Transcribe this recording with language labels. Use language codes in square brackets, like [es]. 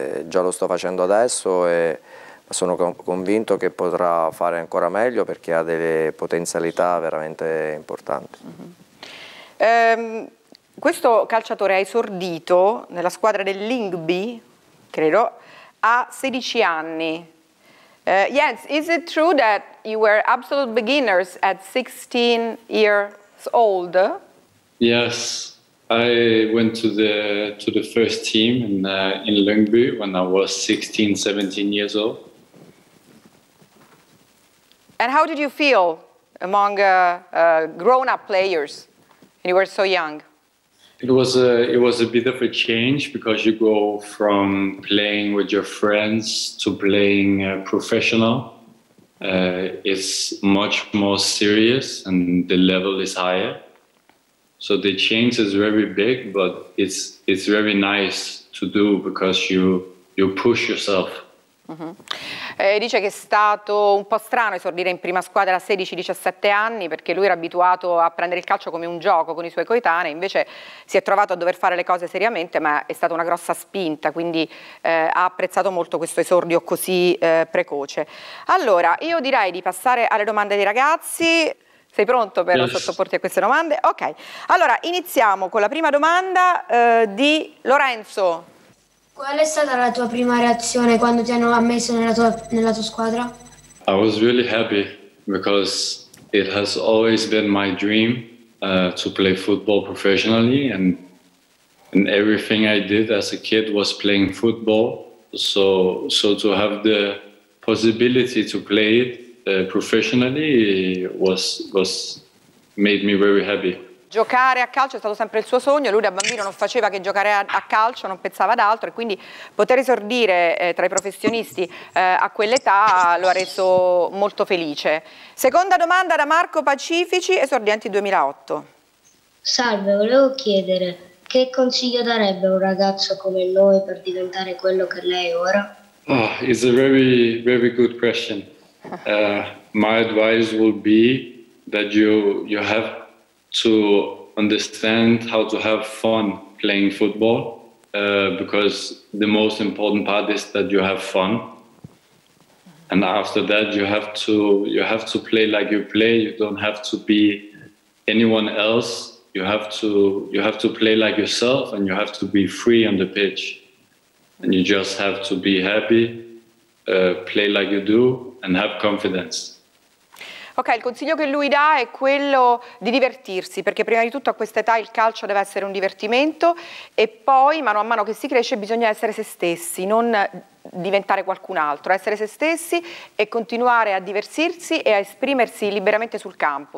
[it] Già lo sto facendo adesso e sono convinto che potrà fare ancora meglio perché ha delle potenzialità veramente importanti. Uh-huh. Questo calciatore ha esordito nella squadra del Lyngby, credo, a 16 anni. [en] Jens, is it true that you were absolute beginners at 16 years old? Yes, I went to the first team in Lyngby when I was 16, 17 years old. And how did you feel among grown-up players when you were so young? It was a bit of a change because you go from playing with your friends to playing professional. It's much more serious and the level is higher. So the change is very big, but it's very nice to do because you push yourself. Uh-huh. [it] Dice che è stato un po' strano esordire in prima squadra a 16-17 anni perché lui era abituato a prendere il calcio come un gioco con i suoi coetanei, invece si è trovato a dover fare le cose seriamente, ma è stata una grossa spinta, quindi ha apprezzato molto questo esordio così precoce. Allora, io direi di passare alle domande dei ragazzi. Sei pronto per sottoporti a queste domande? Ok, allora iniziamo con la prima domanda di Lorenzo. Qual è stata la tua prima reazione quando ti hanno ammesso nella tua squadra? [en] I was really happy because it has always been my dream to play football professionally, and everything I did as a kid was playing football. So to have the possibility to play it professionally was made me very happy. [it] Giocare a calcio è stato sempre il suo sogno, lui da bambino non faceva che giocare a calcio, non pensava ad altro, e quindi poter esordire tra i professionisti a quell'età lo ha reso molto felice. Seconda domanda da Marco Pacifici, esordienti 2008. Salve, volevo chiedere che consiglio darebbe un ragazzo come noi per diventare quello che lei è ora? [en] Oh, it's a very, very good question. My advice would be that you have to understand how to have fun playing football, because the most important part is that you have fun. And after that, you have to play like you play. You don't have to be anyone else. You have to play like yourself, and you have to be free on the pitch. And you just have to be happy, play like you do, and have confidence. [it] Ok, il consiglio che lui dà è quello di divertirsi, perché prima di tutto a questa età il calcio deve essere un divertimento e poi mano a mano che si cresce bisogna essere se stessi, non diventare qualcun altro, essere se stessi e continuare a divertirsi e a esprimersi liberamente sul campo.